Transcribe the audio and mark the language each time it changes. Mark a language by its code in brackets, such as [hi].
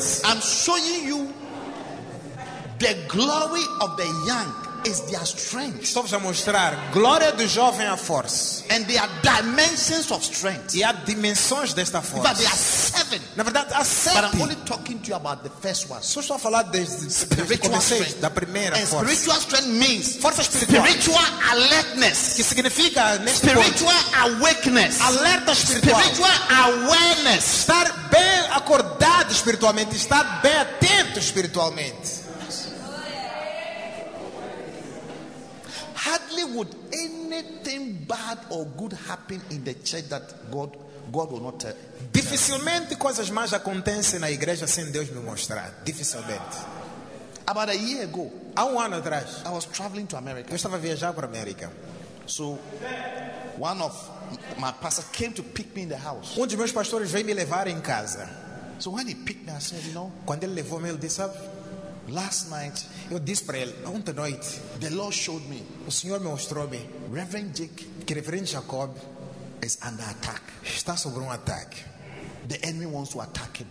[en] I'm showing you the glory of the young is their strength. [pt] Estou a mostrar glória do jovem a força. [en] And there are dimensions of strength. [pt] E há dimensões desta força. [en] But there are seven. seven. [pt] Na verdade, há sete. [en] But I'm only talking to you about the first one. [pt] Só estou a falar desde [en] spiritual strength. [pt] Da primeira [en] força. Spiritual strength means [pt] força espiritual. [en] Spiritual alertness. [pt] Que significa neste [en] spiritual [pt] ponto. [en] Awakeness. [pt] Alerta espiritual. [en] Spiritual awareness. [pt] Estar bem acordado espiritualmente, estar bem atento espiritualmente. [en] Hardly would anything bad or good happen in the church that God will not tell. [pt] Dificilmente coisas más acontecem na igreja sem Deus me mostrar. Dificilmente. [en] About a year ago, [pt] há um ano atrás, [en] I was traveling to America. [pt] Eu estava viajando para a América. [en] So, one of my pastor came to pick me in the house. [pt] Um dos meus pastores veio me levar em casa. [en] So when he picked me, I said, you know. [pt] Quando ele levou-me, ele disse, [en] last night, [pt] eu disse para ele, ontem noite, [en] the Lord showed me, [pt] o Senhor me mostrou-me, [en] Reverend Jake, [pt] que Reverend Jacob [en] is under attack. [pt] Está sob um ataque. [en] The enemy wants to attack him.